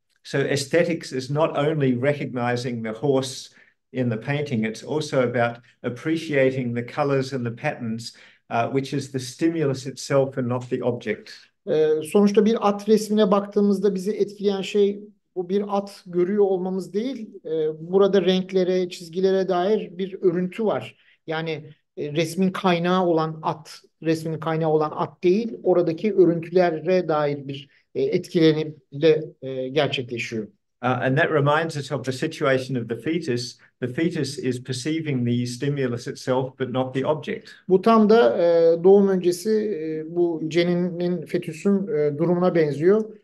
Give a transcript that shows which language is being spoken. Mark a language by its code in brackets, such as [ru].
[en] So aesthetics is not only recognizing the horse in the painting, it's also about appreciating the colors and the patterns. Which is the stimulus itself and not the object. [tr] Sonuçta bir at resmine baktığımızda bizi etkileyen şey bu bir at görüyor olmamız değil. Burada renklere, çizgilere dair bir örüntü var. Yani resmin kaynağı olan at değil, oradaki örüntülere dair bir etkilenim de gerçekleşiyor. [en] And that reminds us of the situation of the fetus. The fetus is perceiving the stimulus itself, but not the object. [tr] Bu tam da doğum öncesi bu ceninin, fetüsün durumuna benziyor.